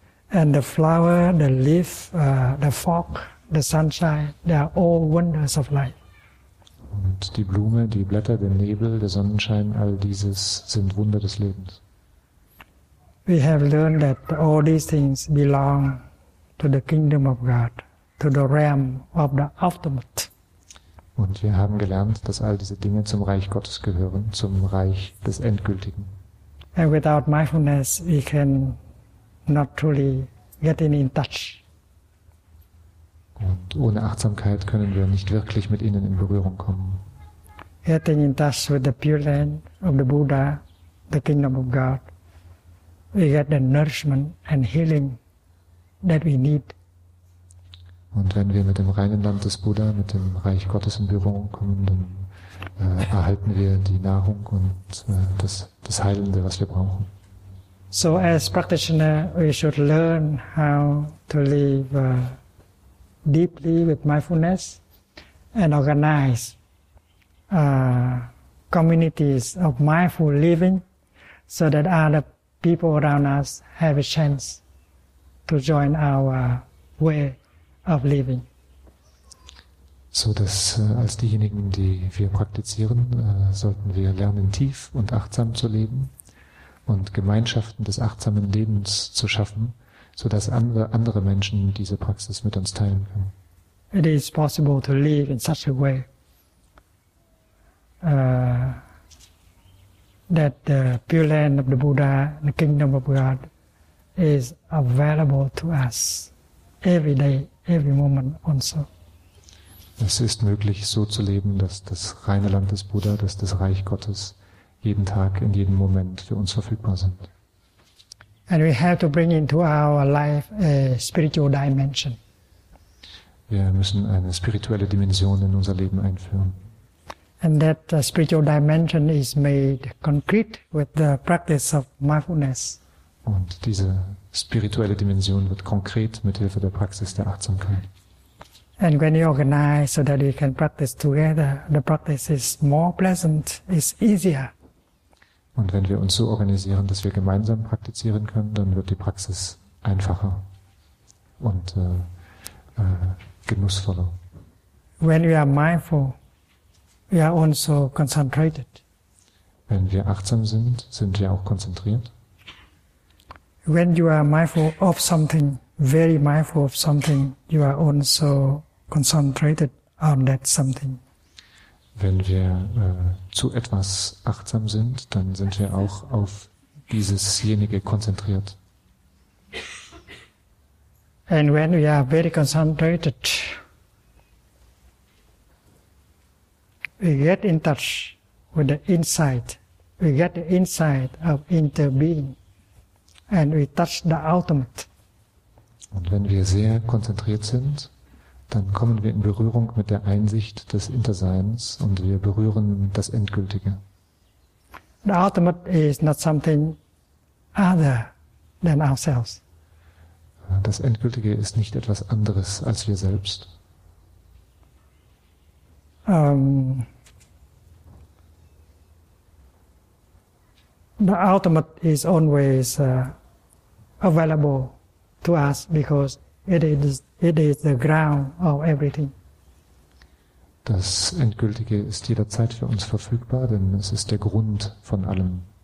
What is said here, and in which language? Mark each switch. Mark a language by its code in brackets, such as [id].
[en] And the flower, the leaf, the fog, the sunshine, they are all wonders of life. [de] Und die Blume, die Blätter, der Nebel, der Sonnenschein, all dieses sind Wunder des Lebens. [en] We have learned that all these things belong to the kingdom of God, to the realm of the ultimate. [de] Und wir haben gelernt, dass all diese Dinge zum Reich Gottes gehören, zum Reich des Endgültigen. [en] And without mindfulness, we can not truly get in touch. [de] Und ohne Achtsamkeit können wir nicht wirklich mit ihnen in Berührung kommen. [en] Getting in touch with the pure land of the Buddha, the kingdom of God, we get the nourishment and healing that we need. [de] Und wenn wir mit dem reinen Land des Buddha, mit dem Reich Gottes in Berührung kommen, dann erhalten wir die Nahrung und das Heilende, was wir brauchen. [en] So as practitioner, we should learn how to live deeply with mindfulness and organize communities of mindful living so that other people around us have a chance to join our way of living. [de] So dass als diejenigen, die wir praktizieren, sollten wir lernen, tief und achtsam zu leben und Gemeinschaften des achtsamen Lebens zu schaffen, so dass andere Menschen diese Praxis mit uns teilen können. [en] It is possible to live in such a way that the pure land of the Buddha, the kingdom of God, is available to us every day. Every moment also. [de] Es ist möglich, so zu leben, dass das reine Land des Buddha, dass das Reich Gottes jeden Tag in jedem Moment für uns verfügbar sind. [en] And we have to bring into our life a spiritual dimension. [de] Wir müssen eine spirituelle Dimension in unser Leben einführen. [en] And that spiritual dimension is made concrete with the practice of mindfulness. [de] Und diese spirituelle Dimension wird konkret mit Hilfe der Praxis der Achtsamkeit. [en] And when you organize so that we can practice together, the practice is more pleasant, is easier. [de] Und wenn wir uns so organisieren, dass wir gemeinsam praktizieren können, dann wird die Praxis einfacher und genussvoller. [en] When we are mindful, we are also concentrated. [de] Wenn wir achtsam sind, sind wir auch konzentriert. [en] When you are mindful of something, very mindful of something, you are also concentrated on that something. [de] Wenn wir zu etwas achtsam sind, dann sind wir auch auf diesesjenige konzentriert. [en] And when we are very concentrated, we get in touch with the inside. We get the inside of interbeing. And we touch the ultimate. [de] Und wenn wir sehr konzentriert sind, dann kommen wir in Berührung mit der Einsicht des Interseins und wir berühren das Endgültige. [en] The ultimate is not something other than ourselves. [de] Das Endgültige ist nicht etwas anderes als wir selbst. [en] The ultimate is always available to us because it is the ground of everything. [de] Das Endgültige ist jederzeit für uns verfügbar, denn es ist der Grund von allem.